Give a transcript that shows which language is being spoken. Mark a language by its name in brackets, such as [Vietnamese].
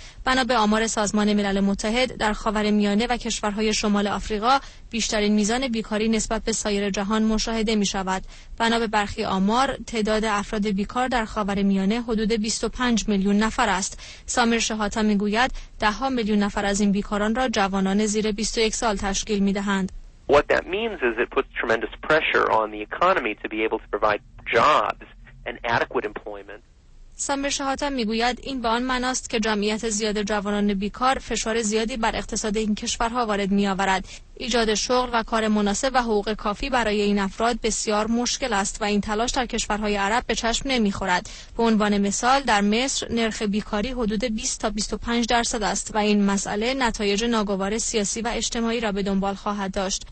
[Persian] بنا به آمار سازمان ملل متحد، در خاورمیانه و کشورهای شمال آفریقا بیشترین میزان بیکاری نسبت به سایر جهان مشاهده می‌شود. بنا به برخی آمار، تعداد افراد بیکار در خاورمیانه حدود 25 میلیون نفر است. سامر شهاتا می‌گوید 10 میلیون نفر از این بیکاران را جوانان زیر 21 سال تشکیل می‌دهند. [English] What that means is it puts tremendous pressure on the economy to be able to provide jobs and adequate employment. [Persian] سامر شهاتا میگوید این به آن معناست که جمعیت زیاد جوانان بیکار فشار زیادی بر اقتصاد این کشورها وارد می‌آورد. ایجاد شغل و کار مناسب و حقوق کافی برای این افراد بسیار مشکل است و این تلاش در کشورهای عرب به چشم نمی‌خورد. به عنوان مثال در مصر نرخ بیکاری حدود 20 تا 25 درصد است و این مسئله نتایج ناگوار سیاسی و اجتماعی را به دنبال خواهد داشت.